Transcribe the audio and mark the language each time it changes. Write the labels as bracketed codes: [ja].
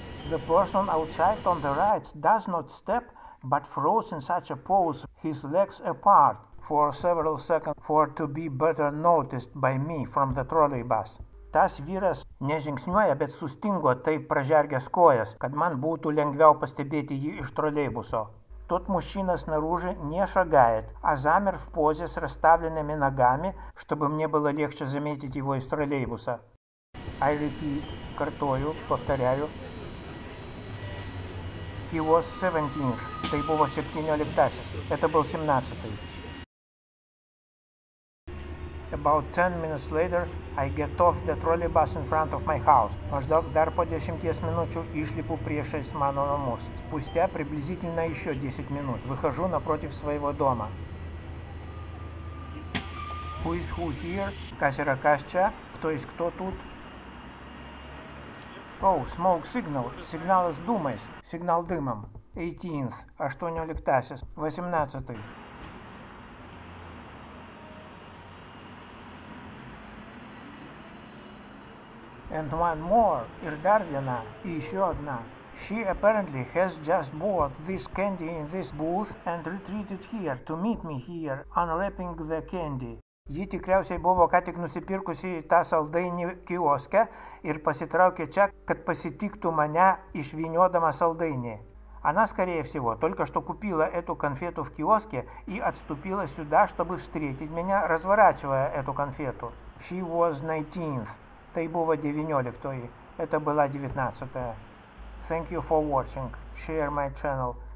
[en] The person outside on the right does not step, but froze in such a pose, his legs apart, for several seconds for to be better noticed by me from the trolleybus. [lt] Tas vyras nežingsniuoja, bet sustingo taip pražergęs kojas, kad man būtų lengviau pastebėti jį iš troleibuso. [ru] Тот мужчина снаружи не шагает, а замер в позе с расставленными ногами, чтобы мне было легче заметить его из троллейбуса. [en] I repeat, [ru] картою, повторяю. [en] He was 17th, [lt] tai buvo 17-oliktasis. [ru] Это был 17-й. [en] About 10 minutes later, I get off the trolley bus in front of my house. [lt] Maždaug dar po 10 minučių išlipu priešais mano namus. [ru] Спустя приблизительно еще 10 минут выхожу напротив своего дома. [en] Who is who here? [lt] Кас yra kas čia? [ru] Кто есть кто тут? [en] Oh, smoke signal. [ru] Сигнал с дымом. Сигнал дымом. 18th. А что не ликтасис? 18-й. [en] And one more, [lt] ir dar viena, [ru] и еще одна. [en] She apparently has just bought this candy in this booth and retreated here to meet me here, unwrapping the candy. [lt] Ji tikriausiai buvo ką tik nusipirkusi tą saldainį kioske ir pasitraukė čia, kad pasitiktų mane išviniodama saldainį. [ru] Она, скорее всего, только что купила эту конфету в киоске и отступила сюда, чтобы встретить меня, разворачивая эту конфету. [en] She was 19th. [ru] Тай было 19-ой. Это была 19-я. [en] Thank you for watching. Share my channel.